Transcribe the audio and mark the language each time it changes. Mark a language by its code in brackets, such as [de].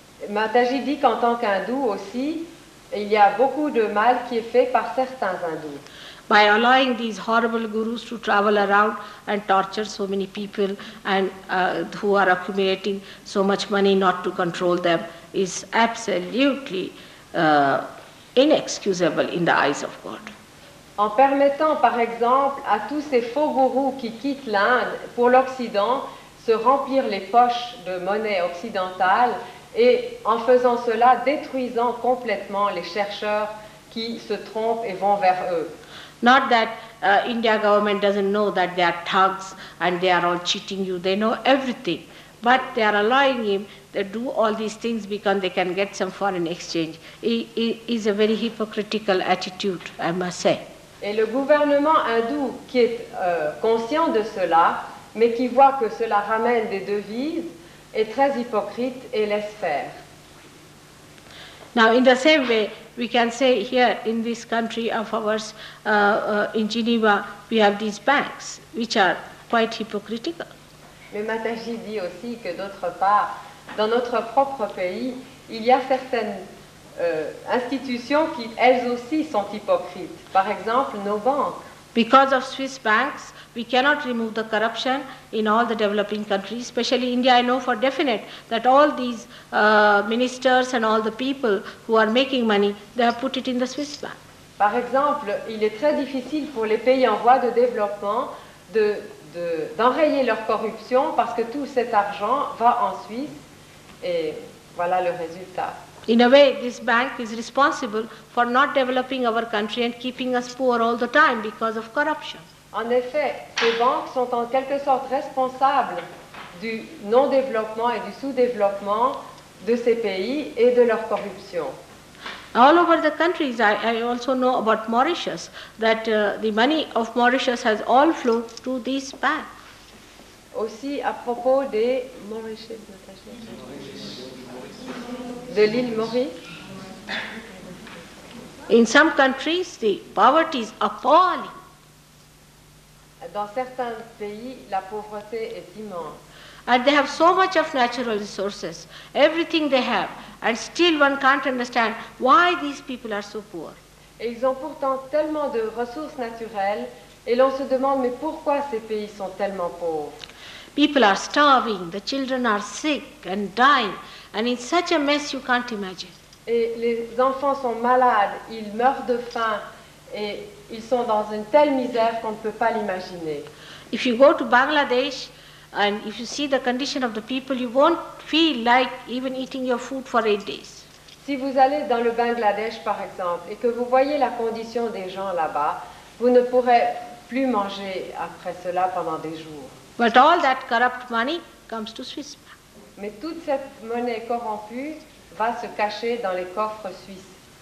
[fr] Mataji dit qu'en tant qu'hindou aussi, il y a beaucoup de mal qui est fait par certains hindous. [en] By allowing these horrible gurus to travel around and torture so many people and who are accumulating so much money not to control them is absolutely inexcusable in the eyes of God. [fr] En permettant par exemple à tous ces faux gurus qui quittent l'Inde pour l'Occident se remplir les poches de monnaie occidentale, et en faisant cela, détruisant complètement les chercheurs qui se trompent et vont vers eux. [en] Not that India government doesn't know that they are thugs and they are all cheating you. They know everything, but they are allowing him to do all these things because they can get some foreign exchange. It is a very hypocritical attitude, I must say. [fr] Et le gouvernement hindou qui est conscient de cela, mais qui voit que cela ramène des devises, est très hypocrite et laisse faire. [en] Now, in the same way, we can say here in this country of ours, in Geneva, we have these banks, which are quite hypocritical. [fr] Mais Mataji dit aussi que d'autre part, dans notre propre pays, il y a certaines institutions qui, elles aussi, sont hypocrites. Par exemple, nos banques. [en] Because of Swiss banks, we cannot remove the corruption in all the developing countries, especially India. I know for definite that all these ministers and all the people who are making money, they have put it in the Swiss bank. [fr] Par exemple, il est très difficile pour les pays en voie de développement d'enrayer leur corruption parce que tout cet argent va en Suisse et voilà le résultat. [en] In a way, this bank is responsible for not developing our country and keeping us poor all the time because of corruption. [fr] En effet, ces banques sont en quelque sorte responsables du non-développement et du sous-développement de ces pays et de leur corruption. [en] All over the countries, I also know about Mauritius, that the money of Mauritius has all flowed to this bank. [fr] Aussi à propos des Mauritius. De l'île Maurice. [en] In some countries, the poverty is appalling. [fr] Dans certains pays, la pauvreté est immense. [en] And they have so much of natural resources, everything they have, and still one can't understand why these people are so poor. [fr] Et ils ont pourtant tellement de ressources naturelles, et l'on se demande mais pourquoi ces pays sont tellement pauvres. [en] People are starving, the children are sick and dying, and in such a mess you can't imagine. [fr] Et les enfants sont malades, ils meurent de faim, et ils sont dans une telle misère qu'on ne peut pas l'imaginer. [en] If you go to Bangladesh, and if you see the condition of the people, you won't feel like even eating your food for 8 days. [fr] Si vous allez dans le Bangladesh, par exemple, et que vous voyez la condition des gens là-bas, vous ne pourrez plus manger après cela pendant des jours. [en] But all that corrupt money comes to Swiss bank. [fr] Mais toute cette monnaie corrompue va se cacher dans les coffres suisses.